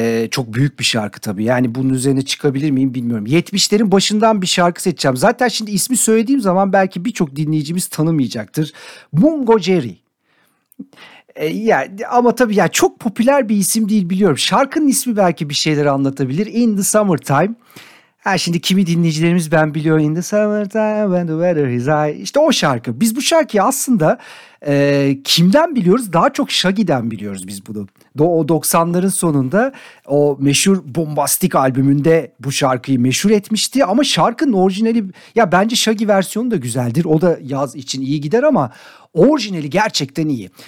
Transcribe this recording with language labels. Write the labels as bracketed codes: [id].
[tr] Çok büyük bir şarkı tabii. Yani bunun üzerine çıkabilir miyim bilmiyorum. 70'lerin başından bir şarkı seçeceğim. Zaten şimdi ismi söylediğim zaman belki birçok dinleyicimiz tanımayacaktır. Mungo Jerry. Yani, ama tabii yani çok popüler bir isim değil biliyorum. Şarkının ismi belki bir şeyler anlatabilir. In the Summertime. Ha şimdi kimi dinleyicilerimiz ben biliyorum. [en] In the summertime when the weather is high. [tr] İşte o şarkı. Biz bu şarkıyı aslında kimden biliyoruz? Daha çok Shaggy'den biliyoruz biz bunu. O 90'ların sonunda o meşhur Bombastic albümünde bu şarkıyı meşhur etmişti. Ama şarkının orijinali, ya bence Shaggy versiyonu da güzeldir. O da yaz için iyi gider ama orijinali gerçekten iyi.